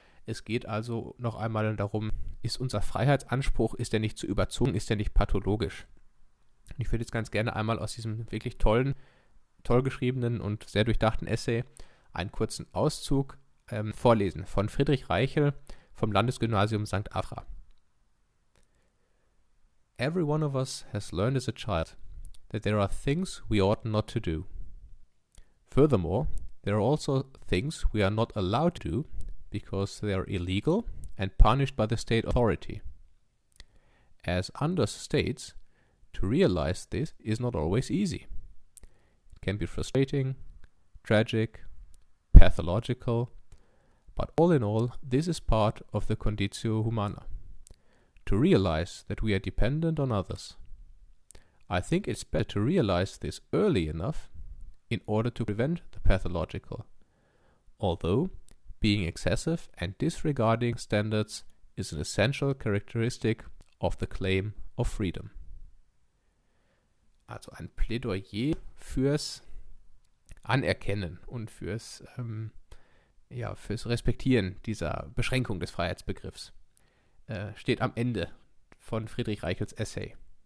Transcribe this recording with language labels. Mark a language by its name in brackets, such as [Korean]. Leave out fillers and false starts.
[German] Es geht also noch einmal darum, ist unser Freiheitsanspruch, ist der nicht zu überzogen, ist der nicht pathologisch? Ich würde jetzt ganz gerne einmal aus diesem wirklich tollen, toll geschriebenen und sehr durchdachten Essay einen kurzen Auszug vorlesen von Friedrich Reichel vom Landesgymnasium St. Afra. [English] Every one of us has learned as a child that there are things we ought not to do. Furthermore, there are also things we are not allowed to do because they are illegal and punished by the state authority. As Anders states, to realize this is not always easy. It can be frustrating, tragic, pathological, but all in all, this is part of the conditio humana. To realize that we are dependent on others. I think it's better to realize this early enough in order to prevent the pathological. Although, being excessive and disregarding standards is an essential characteristic of the claim of freedom. [German] Also ein Plädoyer fürs Anerkennen und fürs, fürs Respektieren dieser Beschränkung des Freiheitsbegriffs steht am Ende von Friedrich Reichels Essay.